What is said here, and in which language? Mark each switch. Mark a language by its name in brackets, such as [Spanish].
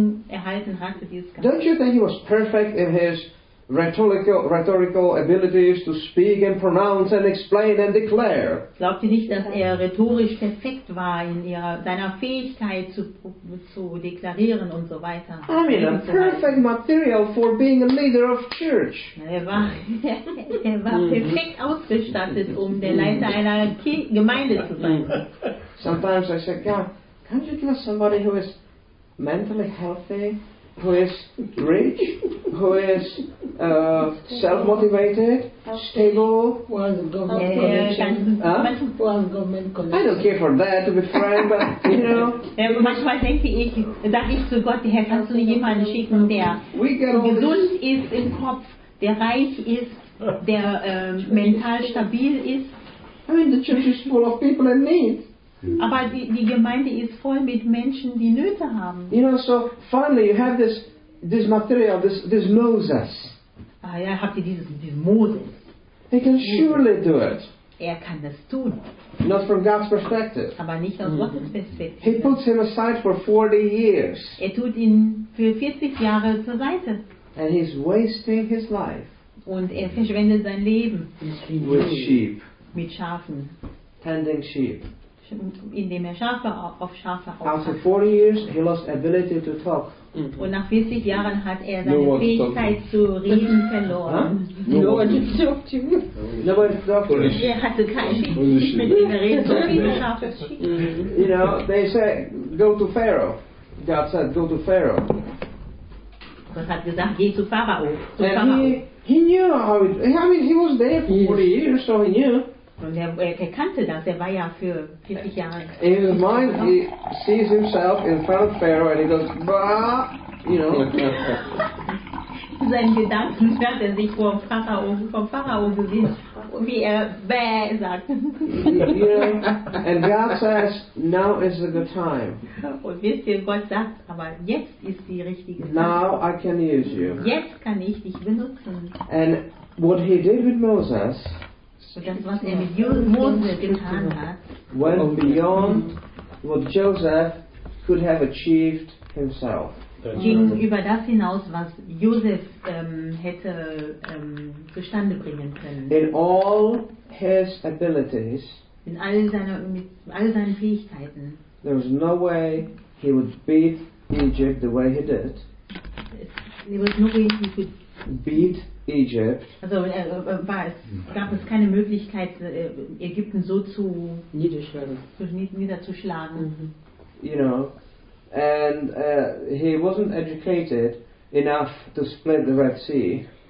[English] Don't you think he was perfect in his rhetorical abilities to speak and pronounce and explain and declare? [German] Glaubt ihr nicht, dass er rhetorisch perfekt war in seiner Fähigkeit zu deklarieren und so weiter? [English] I mean, a perfect material for being a leader of church. [German] Er war perfekt ausgestattet, um der Leiter einer Gemeinde zu sein. [English] Sometimes I say, God, can't you give us somebody who is mentally healthy? Who is rich, who is self-motivated, stable, government. I don't care for that, to be frank, but, you know. [German] Manchmal denke ich, sag ich zu Gott, Herr, kannst du jemanden schicken, der gesund ist im Kopf, der reich ist, der mental stabil ist. [English] I mean, the church is full of people in need. [German] Aber die Gemeinde ist voll mit Menschen, die Nöte haben. [English] You know, so finally you have this material, this Moses. [German] Ah ja, habt ihr dieses Moses. [English] He can surely do it. [German] Er kann das tun. [English] Not from God's perspective. [German] Aber nicht aus Gottes Perspektive. [English] He puts him aside for 40 years. [German] Er tut ihn für 40 Jahre zur Seite. [English] And he's wasting his life. [German] Und er verschwendet sein Leben. [English] With sheep. [German] Mit Schafen. [English] Tending sheep. [German] Indem er Schafe auf Schafe aufpasst. [English] After 40 years, he lost ability to talk. Mm-hmm. [German] Und nach 40 Jahren hat er seine Fähigkeit zu reden verloren. [English] Huh? No one talked to him. [German] Er hatte keine Fähigkeit, mit dem er redet, so viele Schafe schickt. [English] You know, they say, go to Pharaoh. God said, go to Pharaoh. [German] Gott hat gesagt, geh zu Pharao. [English] He knew how it. I mean, he was there for 40 years, so he knew. [German] Und er kannte das, er war ja für 40 Jahre. [English] In his mind, he sees himself in front of Pharaoh and he goes, bah, you know. [German] Sein Gedanken hört er sich vom Pharao gesehen, wie er bäh sagt. [English] You know, and God says, now is the good time. [German] Und wisst ihr, Gott sagt, aber jetzt ist die richtige Zeit. [English] Now I can use you. [German] Jetzt kann ich dich benutzen. [English] And what he did with Moses, [German] das, was er mit Moses getan hat, [English] went beyond what Joseph could have achieved himself. [German] ging über das hinaus, was Josef hätte zustande bringen können. [English] In all his abilities, [German] in all seiner, mit all seinen Fähigkeiten, [English] there was no way he would beat Egypt the way he did. There was no way he could beat Egypt. [German] Also gab es keine Möglichkeit, Ägypten so zu niederzuschlagen. Mm-hmm. [English] You know, and he wasn't educated enough to split the Red Sea.